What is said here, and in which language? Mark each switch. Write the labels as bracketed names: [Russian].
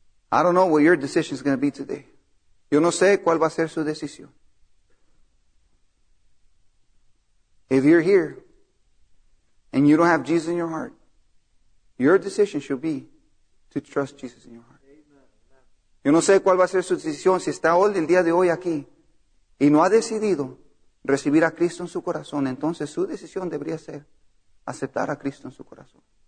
[English] I don't know what your decision is going to be today. [Spanish] Yo no sé cuál va a ser su decisión. [English] If you're here and you don't have Jesus in your heart, your decision should be to trust Jesus in your heart. [Spanish] Yo no sé cuál va a ser su decisión si está hoy, el día de hoy aquí, y no ha decidido recibir a Cristo en su corazón. Entonces su decisión debería ser aceptar a Cristo en su corazón.